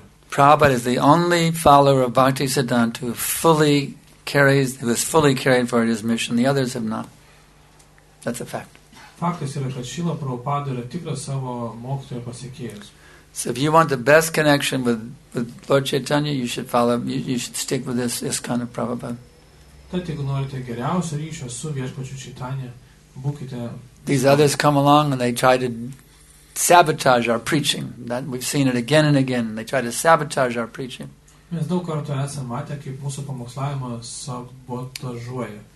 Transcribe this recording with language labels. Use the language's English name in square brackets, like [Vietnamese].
[English] Prabhupada is the only follower of Bhaktisiddhanta who is fully carried for his mission. The others have not. That's a fact. [Lithuanian] Faktas yra, kad Šila Prabhupada yra tikras savo mokytojo pasiekėjas. [English] So if you want the best connection with Lord Chaitanya, you should follow, you should stick with this ISKCON of Prabhupada. [Lithuanian] Tad jeigu norite geriausio ryšio su viešpačiu Chaitanya, būkite. [English] These others come along and they try to sabotage our preaching. That we've seen it again and again. They try to sabotage our preaching. [Lithuanian] Mes daug kartų esame matę, kaip mūsų pamokslavimą sabotažuoja.